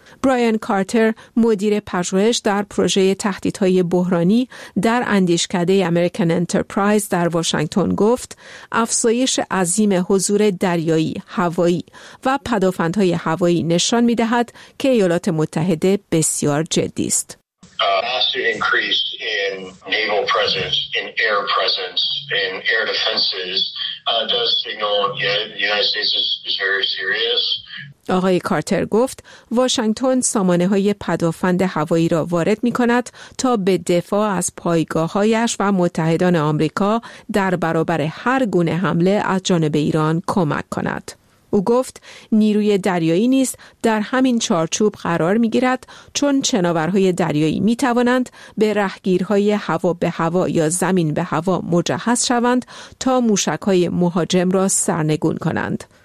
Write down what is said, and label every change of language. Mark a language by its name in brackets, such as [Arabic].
[Persian] برایان کارتر، مدیر پژوهش در پروژه تهدیدهای بحرانی در اندیشکده امریکن انترپرایز در واشنگتن گفت افزایش عظیم حضور دریایی، هوایی و پدافندهای هوایی نشان می‌دهد که ایالات متحده بسیار جدی است. [English] massive increase in naval presence, in air defenses, does signal the United States is very serious. [Persian] آقای کارتر گفت واشنگتن سامانه‌های پدافند هوایی را وارد می‌کند تا به دفاع از پایگاه‌هایش و متحدان آمریکا در برابر هر گونه حمله از جانب ایران کمک کند. او گفت نیروی دریایی نیز در همین چارچوب قرار می‌گیرد چون شناورهای دریایی می‌توانند به رهگیرهای هوا به هوا یا زمین به هوا مجهز شوند تا موشک‌های مهاجم را سرنگون کنند.